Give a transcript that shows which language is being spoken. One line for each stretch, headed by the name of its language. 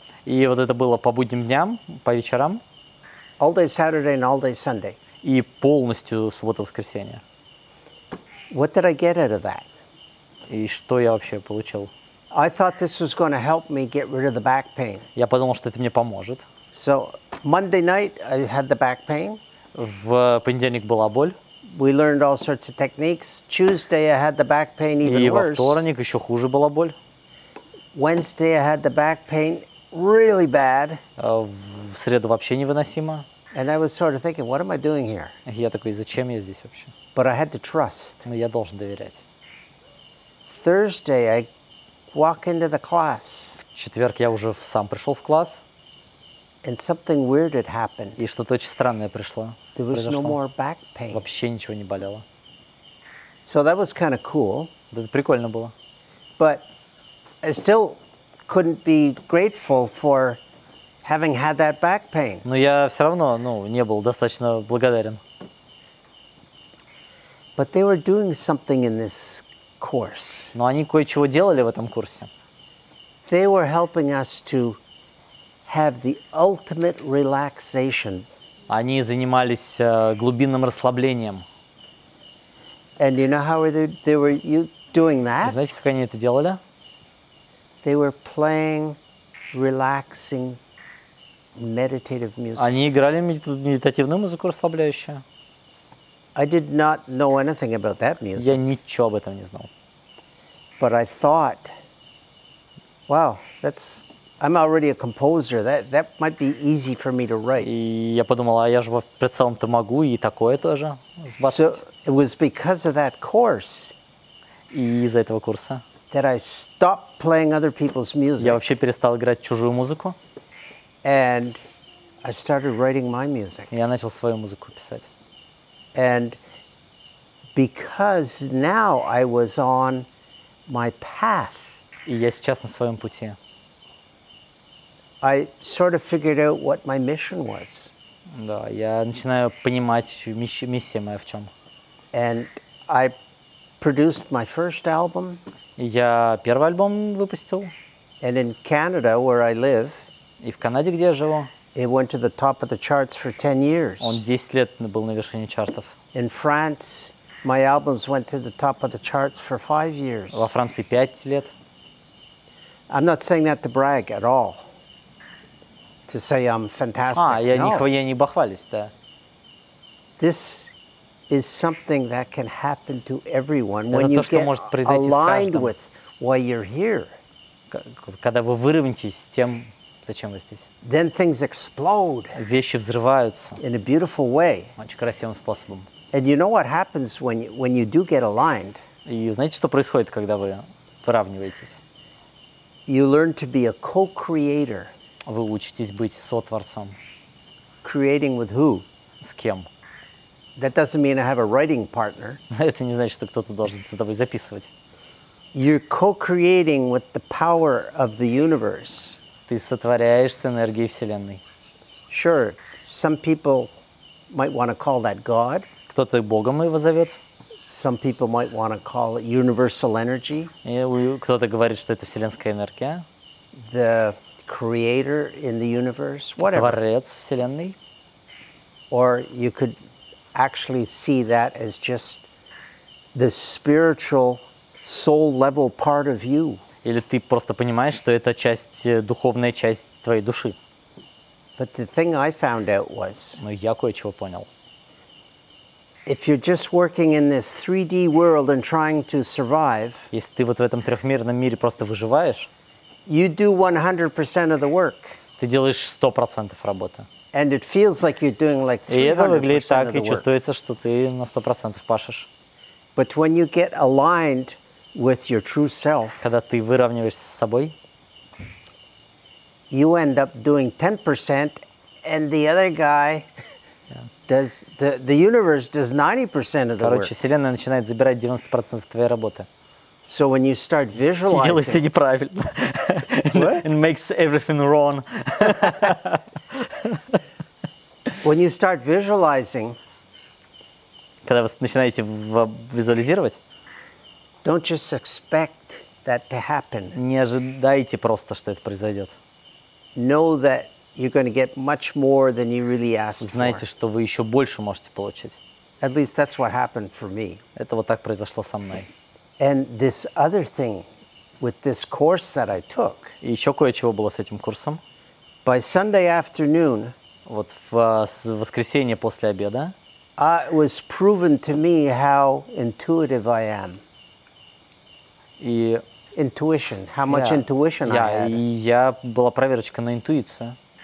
Russian: И вот это было по будним дням, по вечерам.
English: All day Saturday and all day Sunday.
Russian: И полностью суббота-воскресенье.
English: What did I get out of that?
Russian: И что я вообще получил?
English: I thought this was going to help me get rid of the back pain.
Russian: Я подумал, что это мне поможет.
English: So Monday night I had the back pain.
Russian: В понедельник была боль.
English: We learned all sorts of techniques. Tuesday I had the back pain even
Russian: worse. И во вторник еще хуже была боль.
English: Wednesday I had the back pain really bad.
Russian: В среду вообще невыносимо.
English: And I was sort of thinking, what am I doing here?
Russian: Я такой, зачем я здесь вообще?
English: But I had to trust.
Russian: Но я должен доверять.
English: Thursday I walk into the class.
Russian: В четверг я уже сам пришел в класс.
English: And something weird had happened.
Russian: И что-то очень странное пришло.
English: There was no more back pain.
Russian: Вообще ничего не болело.
English: So that was kind of cool.
Russian: Да, это прикольно было.
English: But I still couldn't be grateful for having had that back pain.
Russian: Но я все равно, не был достаточно благодарен.
English: But they were doing something in this course.
Russian: Но они кое-чего делали в этом курсе.
English: They were helping us to have the ultimate relaxation.
Russian: Они занимались глубинным расслаблением.
English: And you know how they were you doing that?
Russian: Знаете, как они это делали?
English: They were playing relaxing meditative music.
Russian: Они играли медитативную музыку расслабляющую.
English: I did not know anything about that music.
Russian: Я ничего об этом не знал.
English: But I thought, wow, that's I'm already a composer. That might be easy for me to write.
Russian: И я подумал, а я же в целом-то могу и такое тоже сбастить.
English: So it was because of that course.
Russian: И из-за этого курса.
English: That I stopped playing other people's music.
Russian: Я вообще перестал играть чужую музыку.
English: And I started writing my music.
Russian: Я начал свою музыку писать.
English: And because now I was on my path.
Russian: И я сейчас на своем пути.
English: I sort of figured out what my mission was.
Russian: Да, я начинаю понимать, миссия моя в чем.
English: And I produced my first album.
Russian: Я первый альбом выпустил.
English: And in Canada, where I live,
Russian: и в Канаде, где я живу,
English: it went to the top of the charts for 10 years.
Russian: Он 10 лет был на вершине чартов.
English: In France, my albums went to the top of the charts for 5 years.
Russian: Во Франции 5 лет.
English: I'm not saying that to brag at all. To say I'm fantastic.
Russian: Я не бахвалюсь, да.
English: This is something that can happen to everyone when you get aligned with why you're here.
Russian: Когда вы выровняетесь с тем, зачем вы здесь.
English: Then things explode.
Russian: Вещи взрываются.
English: In a beautiful way.
Russian: Очень красивым способом.
English: And you know what happens when you do get aligned?
Russian: И знаете, что происходит, когда вы выравниваетесь?
English: You learn to be a co-creator.
Russian: Вы учитесь быть сотворцом.
English: Creating with who?
Russian: С кем?
English: That doesn't mean I have a writing partner.
Russian: Это не значит, что кто-то должен за тобой записывать.
English: You're co-creating with the power of the universe.
Russian: Ты сотворяешь с энергией Вселенной.
English: Sure, some people might want to call that God.
Russian: Кто-то Богом его зовет.
English: Some people might want to call it universal energy.
Russian: И кто-то говорит, что это вселенская энергия.
English: The creator in the universe, whatever.
Russian: Творец Вселенной.
English: Or you could actually see that as just the spiritual soul level part of you.
Russian: Или ты просто понимаешь, что это часть, духовная часть твоей души.
English: But the thing I found out was,
Russian: но я кое-чего понял.
English: If you're just working in this 3D world and trying to survive,
Russian: если ты вот в этом трехмерном мире просто выживаешь,
English: you do 100% of the work.
Russian: Ты делаешь 100% работы.
English: And it feels like you're doing like 300% of the work.
Russian: И это выглядит так, и чувствуется, что ты на 100% пашешь.
English: But when you get aligned with your true self,
Russian: когда ты выравниваешься с собой,
English: you end up doing 10%, and the other guy does the universe does 90% of the work.
Russian: Короче, вселенная начинает забирать 90% твоей работы.
English: So when you start visualizing,
Russian: делай все неправильно.
English: And makes everything wrong. When you start visualizing,
Russian: когда вы начинаете визуализировать,
English: don't just expect that to happen.
Russian: Не ожидайте просто, что это произойдет.
English: Know that you're going to get much more than you really asked for.
Russian: Знаете, что вы еще больше можете получить.
English: At least that's what happened for me.
Russian: Это вот так произошло со мной.
English: And this other thing with this course that I took.
Russian: И еще кое-чего было с этим курсом.
English: By Sunday afternoon.
Russian: Вот в воскресенье после обеда.
English: It was proven to me how intuitive I am.
Russian: И
English: intuition, how much intuition I had.
Russian: Я была проверочка на интуицию.